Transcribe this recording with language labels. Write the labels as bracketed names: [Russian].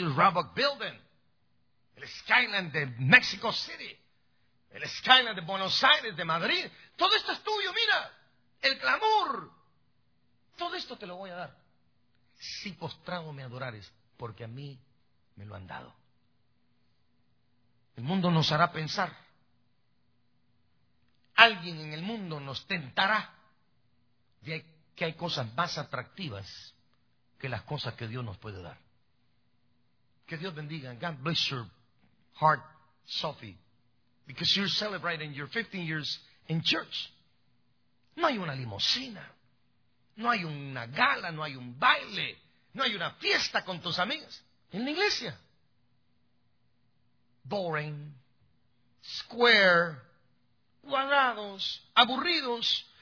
[Spanish] Roebuck Building, el Skyline de Mexico City, el Skyline de Buenos Aires, de Madrid, todo esto es tuyo, mira, el clamor, todo esto te lo voy a dar, si postrado me adorares, porque a mí me lo han dado. El mundo nos hará pensar. Alguien en el mundo nos tentará de que hay cosas más atractivas que las cosas que Dios nos puede dar. Que Dios bendiga. [English] God bless your heart, Sophie, because you're celebrating your 15 years in church. [Spanish] No hay una limusina, no hay una gala, no hay un baile, no hay una fiesta con tus amigas. En la iglesia. [English] Boring, square, [Spanish] cuadrados, aburridos.